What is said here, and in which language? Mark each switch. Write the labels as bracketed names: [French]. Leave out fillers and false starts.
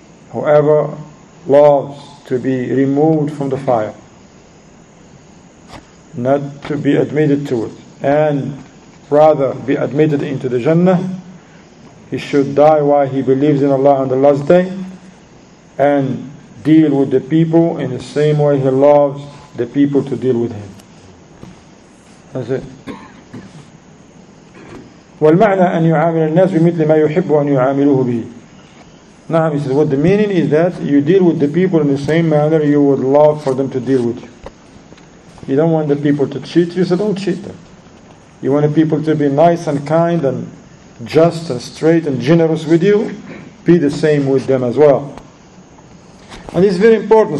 [English] Whoever loves to be removed from the fire, not to be admitted to it, and rather be admitted into the jannah, he should die while he believes in Allah on the last day and deal with the people in the same way he loves the people to deal with him. That's it. [Arabic] والمعنى أن يعامل الناس بمثل ما يحب أن يعامله به. نعم, [English] he says, what the meaning is that you deal with the people in the same manner you would love for them to deal with you. You don't want the people to cheat you, so don't cheat them. You want the people to be nice and kind and just and straight and generous with you, be the same with them as well. And it's very important.